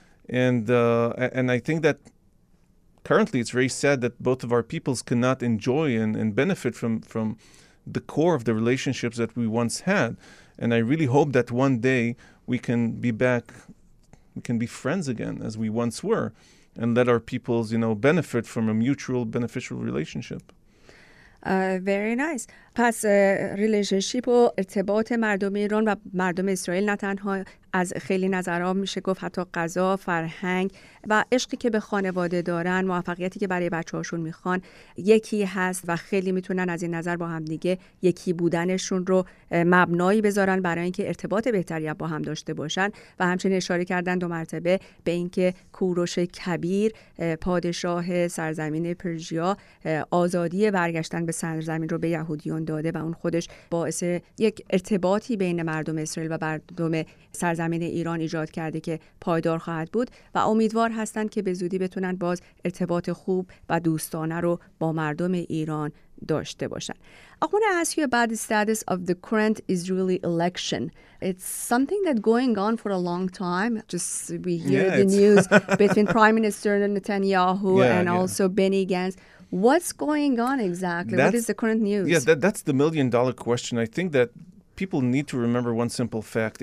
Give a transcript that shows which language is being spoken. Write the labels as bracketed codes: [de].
[en] And I think that currently it's very sad that both of our peoples cannot enjoy and benefit from the core of the relationships that we once had. And I really hope that one day we can be back, we can be friends again as we once were, and let our peoples, you know, benefit from a mutual beneficial relationship. Very nice. [fa] پس ریلیشنشیپ و ارتباط مردم ایران و مردم اسرائیل نه تنها از خیلی نظرها میشه گفت، حتی قضا، فرهنگ و عشقی که به خانواده دارن، موفقیتی که برای بچه هاشون میخوان، یکی هست و خیلی میتونن از این نظر با هم دیگه یکی بودنشون رو مبنایی بذارن برای اینکه ارتباط بهتری با هم داشته باشن. و همچنین اشاره کردن دو مرتبه به اینکه کوروش کبیر، پادشاه سرزمین پرشیا، آزادی برگشتن به سرزمین رو به یهودی داده و اون خودش باعث یک ارتباطی بین مردم اسرائیل و مردم سرزمین ایران ایجاد کرده که پایدار خواهد بود و امیدوار هستند که به زودی بتونن باز ارتباط خوب و دوستانه رو با مردم ایران داشته باشن. [en] I want to ask you about the status of the current Israeli election. It's something that's going on for a long time. Just we hear the news between Prime Minister Netanyahu also Benny Gantz. What's going on exactly? What is the current news? Yeah, that's the million-dollar question. I think that people need to remember one simple fact.